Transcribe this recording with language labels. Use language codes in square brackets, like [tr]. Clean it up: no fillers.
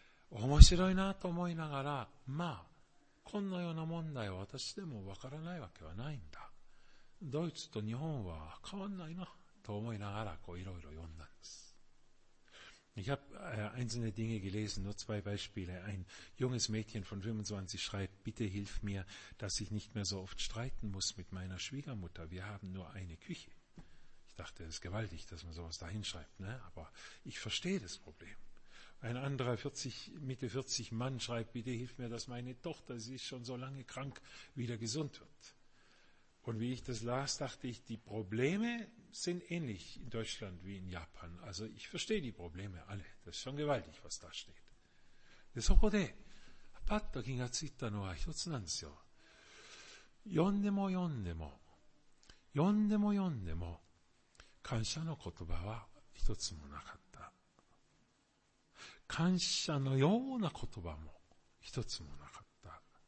[ja] 面白いなと思いながら、まあこんなような問題は私でもわからないわけはないんだ、ドイツと日本は変わんないなと思いながら、こういろいろ読んだんです。 [de] Ich habe einzelne Dinge gelesen, nur zwei Beispiele. Ein junges Mädchen von 25 schreibt: Bitte hilf mir, dass ich nicht mehr so oft streiten muss mit meiner Schwiegermutter. Wir haben nur eine Küche. Ich dachte, es ist gewaltig, dass man sowas da hinschreibt, ne? Aber ich verstehe das Problem. Ein anderer Mitte 40 Mann schreibt: Bitte hilf mir, dass meine Tochter, sie ist schon so lange krank, wieder gesund wird. Und wie ich das las, dachte ich, die Probleme sind ähnlich in Deutschland wie in Japan. Also ich verstehe die Probleme alle. Das ist schon gewaltig, was da steht. [ja] でそこでパッと気がついたのは一つなんですよ。読んでも読んでも、読んでも読んでも、感謝の言葉は一つもなかった。感謝のような言葉も一つもなかった。